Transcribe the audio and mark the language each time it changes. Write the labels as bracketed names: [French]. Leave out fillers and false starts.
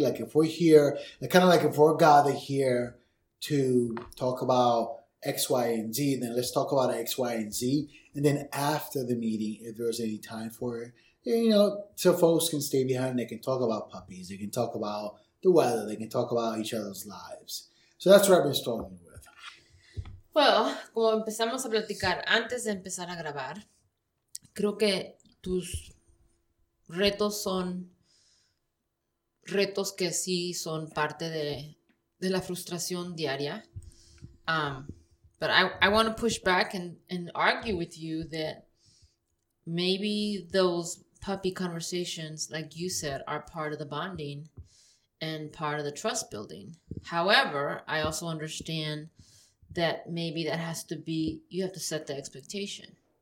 [English] Like, if we're here, like, kind of like if we're gathered here to talk about X, Y, and Z, and then let's talk about X, Y, and Z. And then after the meeting, if there's any time for it, you know, so folks can stay behind, they can talk about puppies, they can talk about the weather, they can talk about each other's lives. So that's what I've been struggling with. [Spanish] Well, como empezamos a platicar antes de empezar a grabar, creo que tus retos son retos que sí son parte de la frustración diaria. [English] But I want to push back and argue with you that maybe those puppy conversations, like you said, are part of the bonding and part of the trust building. However, I also understand that maybe that has to be, you have to set the expectation.